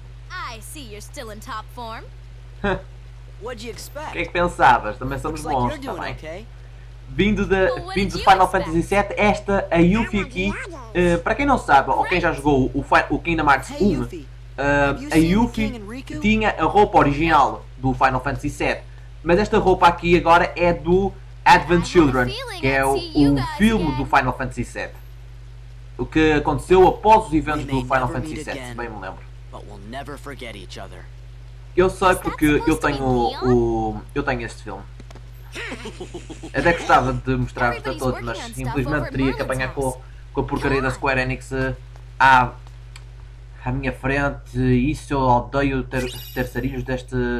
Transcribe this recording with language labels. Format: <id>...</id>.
<en>I see you're still in top form. What'd you expect?</en> <pt>O que é que pensavas? Também somos bons, tá bem? Vindo do Final Fantasy VII, esta, a Yuffie aqui, para quem não sabe, ou quem já jogou o Kingdom Hearts 1, a Yuffie tinha a roupa original do Final Fantasy VII, mas esta roupa aqui agora é do Advent Children, que é o filme do Final Fantasy VII. O que aconteceu após os eventos do Final Fantasy VII, se bem me lembro.</pt> <en>But we'll never forget each other.</en> <pt>Eu sei porque eu tenho este filme. Até gostava de mostrar-vos a todos, mas simplesmente teria que apanhar com a porcaria da Square Enix à minha frente. Isso eu odeio ter sarilhos deste.</pt>